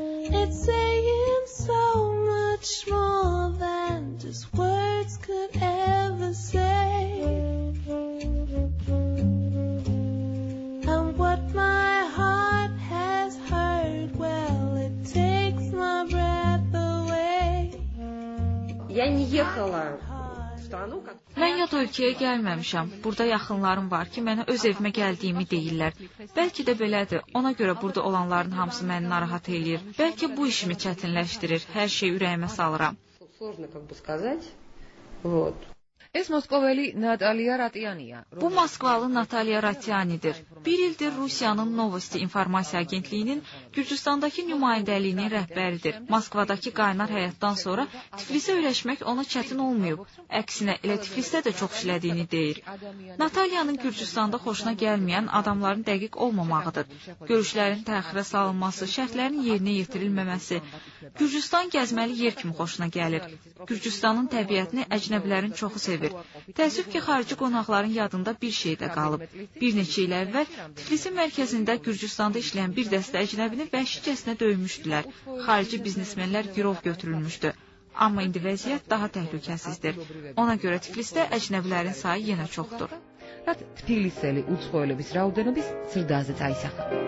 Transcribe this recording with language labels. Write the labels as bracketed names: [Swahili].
[English] It's saying so much more than just words could ever say. And what my heart has heard, well, it takes my breath away. [Russian] Я не ехала. [Azerbaijani] Mən yad ölkəyə gəlməmişəm. Burada yaxınlarım var ki, mənə öz evimə gəldiyimi deyirlər. Bəlkə də belədir. Ona görə burada olanların hamısı məni narahat eləyir. Bəlkə bu işimi çətinləşdirir. Hər şeyi ürəyimə salıram. Bu Moskvalı Natalya Ratyanidir. Bir ildir Rusiyanın Novosti İnformasiya Agentliyinin Gürcistandakı nümayəndəliyinin rəhbəridir. Moskvadakı qaynar həyatdan sonra Tiflisə öyrəşmək ona çətin olmayıb. Əksinə, elə Tiflisdə də çox işlədiyini deyir. Natalyanın Gürcistanda xoşuna gəlməyən adamların dəqiq olmamağıdır. Görüşlərin təxirə salınması, şərtlərin yerinə yetirilməməsi. Gürcistan gəzməli yer kimi xoşuna gəlir. Gürcistanın təbiətini əcnəbilərin çoxu sevir. Təəssüf ki, xarici qonaqların yadında bir şey də qalıb. Bir neçə il əvvəl Tiflisin mərkəzində Gürcistanda işləyən bir dəstə əcnəbini vəhşicəsinə döymüşdülər. Xarici biznesmenlər girov götürülmüşdü. Amma indi vəziyyət daha təhlükəsizdir. Ona görə Tiflisdə əcnəbilərin sayı yenə çoxdur. Tiflisəli Uçxoylu biz Raudanı biz Sırdazı Taysaq.